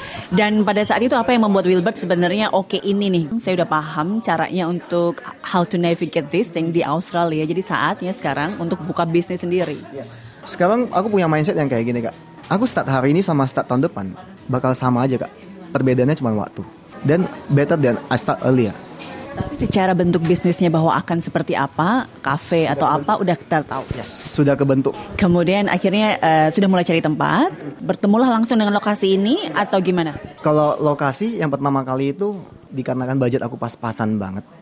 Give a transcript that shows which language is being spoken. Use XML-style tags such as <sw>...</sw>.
<id>Dan pada saat itu apa yang membuat Wilbert sebenarnya okay, ini nih, saya udah paham caranya untuk</id> <en>how to navigate this thing</en> <id>di Australia. Jadi saatnya sekarang untuk buka bisnis sendiri. Yes. Sekarang aku punya mindset yang kayak gini, kak. Aku start hari ini sama start tahun depan bakal sama aja, kak. Perbedaannya cuma waktu.</id> <en>Dan better than I start earlier.</en> <id>Tapi secara bentuk bisnisnya bahwa akan seperti apa, kafe atau apa, udah kita tahu. Yes, sudah kebentuk. Kemudian akhirnya sudah mulai cari tempat, bertemulah langsung dengan lokasi ini atau gimana? Kalau lokasi yang pertama kali itu dikarenakan budget aku pas-pasan banget.</id>